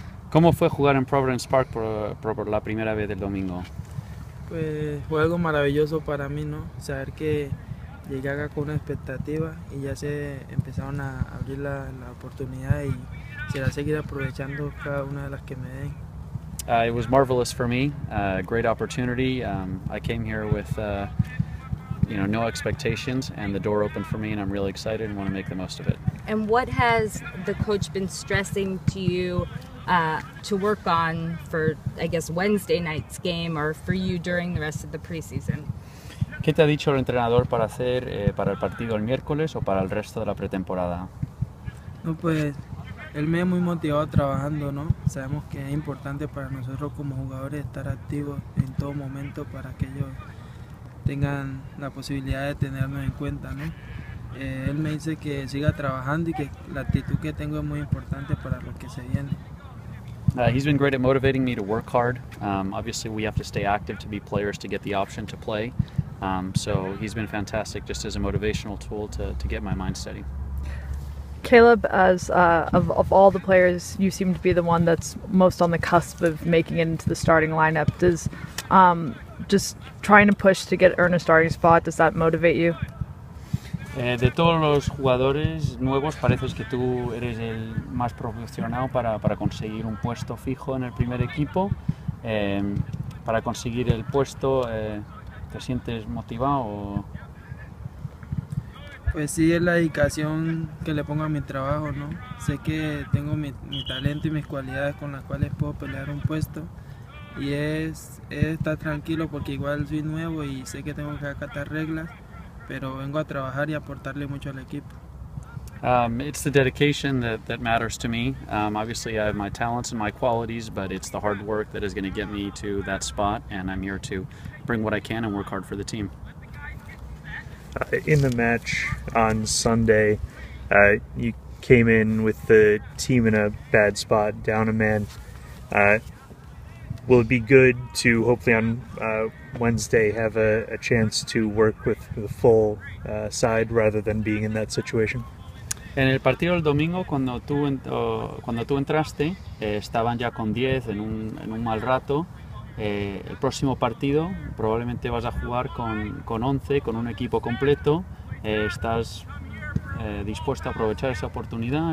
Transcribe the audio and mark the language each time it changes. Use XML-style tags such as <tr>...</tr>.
<es>¿Cómo fue jugar en Providence Park por la primera vez del domingo? Pues fue algo maravilloso para mí, ¿no? Saber que llegué acá con una expectativa y ya se empezaron a abrir la oportunidad y será seguir aprovechando cada una de las que me den.</es> <en>It was marvelous for me, a great opportunity. I came here with no expectations, and the door opened for me, and I'm really excited and want to make the most of it. And what has the coach been stressing to you to work on for, I guess, Wednesday night's game or for you during the rest of the preseason?</en> <es>¿Qué te ha dicho el entrenador para hacer para el partido el miércoles o para el resto de la pretemporada? No, pues, él me ha muy motivado trabajando, ¿no? Sabemos que es importante para nosotros como jugadores estar activos en todo momento para que ellos tengan la posibilidad de tenernos en cuenta, ¿no? Él me dice que siga trabajando y que la actitud que tengo es muy importante para lo que se viene.</es> <en>He's been great at motivating me to work hard. Obviously, we have to stay active to be players to get the option to play. So he's been fantastic just as a motivational tool to get my mind steady. Caleb, as of all the players, you seem to be the one that's most on the cusp of making it into the starting lineup. Does just trying to push to get earn a starting spot, does that motivate you?</en> <es>De todos los jugadores nuevos, pareces que tú eres el más profesional para conseguir un puesto fijo en el primer equipo. Para conseguir el puesto, ¿te sientes motivado? Pues sí, es la dedicación que le pongo a mi trabajo, ¿no? Sé que tengo mi talento y mis cualidades con las cuales puedo pelear un puesto. Y es estar tranquilo porque igual soy nuevo y sé que tengo que acatar reglas, pero vengo a trabajar y aportarle mucho al equipo.</es> <en>It's the dedication that matters to me. Obviously, I have my talents and my qualities, but it's the hard work that is going to get me to that spot, and I'm here to bring what I can and work hard for the team. In the match on Sunday, you came in with the team in a bad spot, down a man. Will it be good to hopefully on Wednesday have a chance to work with the full side rather than being in that situation?</en> <es>En el partido del domingo, cuando tú entraste, estaban ya con 10 en un mal rato. El próximo partido probablemente vas a jugar con 11, con un equipo completo. ¿Estás dispuesto a aprovechar esa oportunidad?</es>